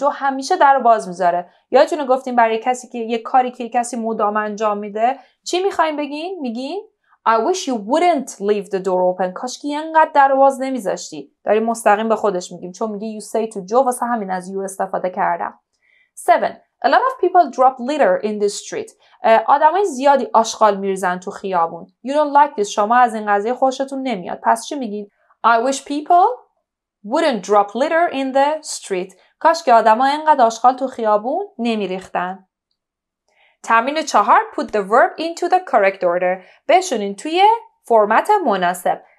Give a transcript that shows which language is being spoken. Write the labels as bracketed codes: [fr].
[fa] Joe همیشه درو باز میذاره. یادتونه گفتیم برای کسی که یه کاری که کسی مدام انجام میده چی میخواییم بگین؟ میگین؟ [en] I wish you wouldn't leave the door open. [fa] کاش که اینقدر درو باز نمیذاشتی. داریم مستقیم به خودش میگیم. چون میگی [en] you say to Joe [fa] واسه همین از you استفاده کردم. 7. [en] A lot of people drop litter in the street. [fa] آدمای زیادی آشغال میریزن تو خیابون. [en] You don't like this. [fa] شما از این قضیه خوشتون نمیاد. پس چی میگین؟ [en] I wish people wouldn't drop litter in the street. [fa] کاش که آدم ها اینقدر آشغال تو خیابون نمی ریختن. تمرین 4. [en] Put the verb into the correct order. [fa] بشونین توی فرمت مناسب.